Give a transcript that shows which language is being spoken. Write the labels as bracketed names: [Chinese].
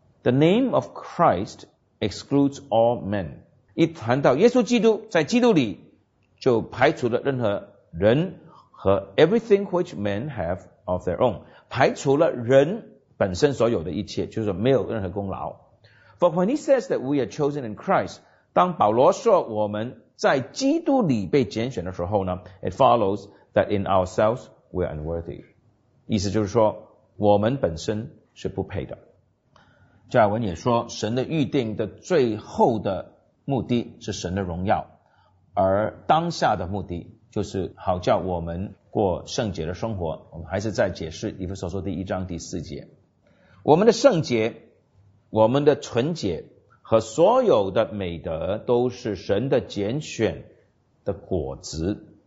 [English] The name of Christ excludes all men， [Chinese] 一谈到耶稣基督在基督里，就排除了任何人和 [English] everything which men have of their own， [Chinese] 排除了人本身所有的一切，就是没有任何功劳。 [English] For when he says that we are chosen in Christ， [Chinese] 当保罗说我们在基督里被拣选的时候呢， [English] It follows that in ourselves we are unworthy， [Chinese] 意思就是说我们本身是不配的。加尔文也说，神的预定的最后的目的是神的荣耀，而当下的目的就是好叫我们过圣洁的生活。我们还是在解释以弗所说第一章第四节，我们的圣洁，我们的纯洁和所有的美德都是神的拣选的果子。